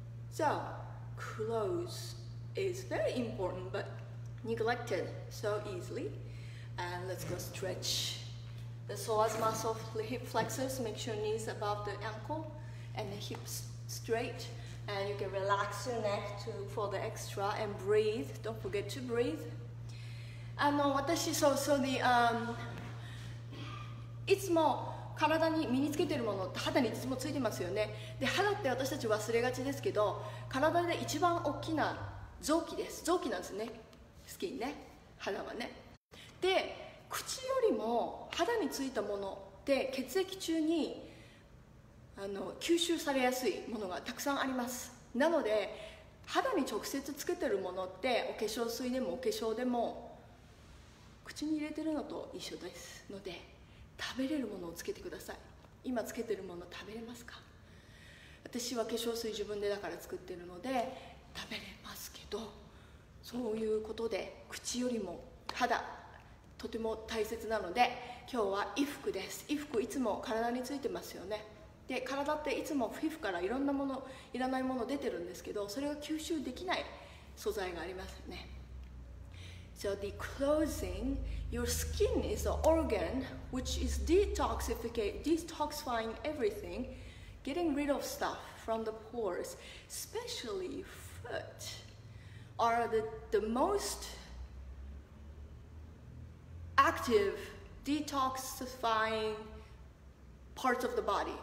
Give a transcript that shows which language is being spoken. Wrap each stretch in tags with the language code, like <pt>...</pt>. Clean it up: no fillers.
<en>So, clothes is very important but neglected so easily. And let's go stretch the psoas muscle, the hip flexors, make sure knees above the ankle and the hips straight. And you can relax your neck for the extra and breathe. Don't forget to breathe.</en> <ja>あの私そうそうにいつも体に身につけてるものって肌にいつもついてますよね。で肌って私たち忘れがちですけど、体で一番大きな臓器です。臓器なんですね、スキンね、肌はね。で口よりも肌についたもので血液中にあの吸収されやすいものがたくさんあります。なので肌に直接つけてるものってお化粧水でもお化粧でも口に入れてるのと一緒ですので、食べれるものをつけてください。今つけてるもの食べれますか？私は化粧水自分でだから作ってるので食べれますけど、そういうことで口よりも肌とても大切なので、今日は衣服です。衣服いつも体についてますよね。で体っていつも皮膚からいろんなものいらないもの出てるんですけど、それが吸収できない素材がありますよね。</ja> <en>So the clothing, your skin is an organ which is detoxifying everything, getting rid of stuff from the pores, especially foot are the most active detoxifying parts of the body.</en>